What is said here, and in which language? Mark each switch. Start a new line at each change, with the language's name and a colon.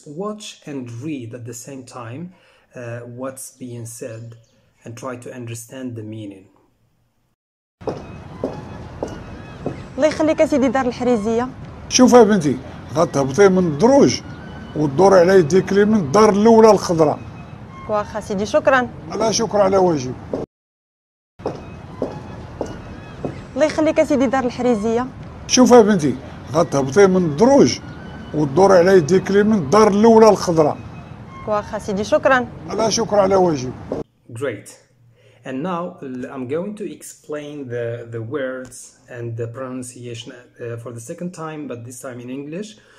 English: Watch and read at the same time what's being said and try to understand the meaning.
Arabic: الله يخليك سيدي دار الحريزيه. شوف بنتي غتهبطي من الدروج وتدور على يديك لمن الدار الاولى الخضراء. واخا سيدي شكرا. لا شكرا على واجب. الله يخليك سيدي دار الحريزيه. شوف بنتي غتهبطي من الدروج وتدور على يديك لمن الدار الاولى الخضراء. واخا سيدي شكرا. لا شكرا على واجب.
English: Great. And now I'm going to explain the words and the pronunciation for the second time, but this time in English.